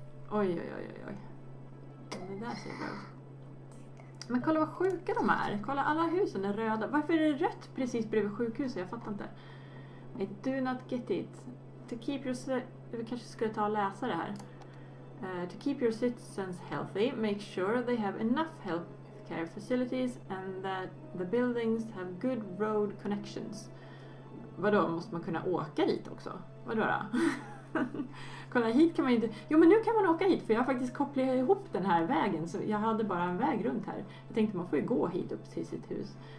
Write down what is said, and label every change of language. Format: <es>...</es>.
<sv>Oj. Det där ser jag bra. Men kolla vad sjuka de är. Kolla, alla husen är röda. Varför är det rött precis bredvid sjukhuset? Jag fattar inte.</sv> <en>I do not get it. To keep your...</en> <sv>Vi kanske skulle ta och läsa det här.</sv> <en>To keep your citizens healthy, make sure they have enough healthcare facilities and that the buildings have good road connections.</en> <sv>Vadå, måste man kunna åka dit också? Vadå då? Kolla, hit kan man inte... Jo, men nu kan man åka hit, för jag har faktiskt kopplat ihop den här vägen. Så jag hade bara en väg runt här. Jag tänkte, man får ju gå hit upp till sitt hus.</sv>